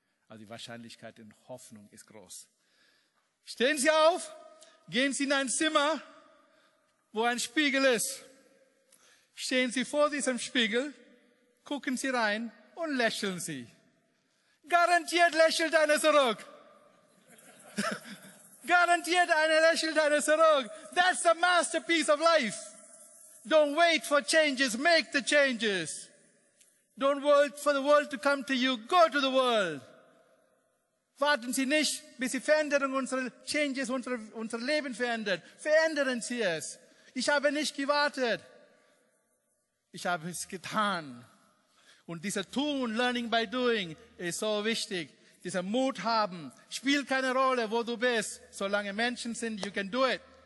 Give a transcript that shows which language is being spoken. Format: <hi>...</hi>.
<de>Also die Wahrscheinlichkeit in Hoffnung ist groß. Stehen Sie auf, gehen Sie in ein Zimmer, wo ein Spiegel ist. Stehen Sie vor diesem Spiegel, gucken Sie rein und lächeln Sie. Garantiert lächelt einer zurück. Garantiert einer lächelt einer zurück.</de> <en>That's the masterpiece of life. Don't wait for changes, make the changes. Don't wait for the world to come to you, go to the world.</en> <de>Warten Sie nicht, bis die Veränderung unserer Changes, unser Leben verändert. Verändern Sie es. Ich habe nicht gewartet. Ich habe es getan. Und dieser Tun,</de> <en>Learning by Doing,</en> <de>ist so wichtig. Dieser Mut haben, spielt keine Rolle, wo du bist. Solange Menschen sind,</de> <en>you can do it.</en>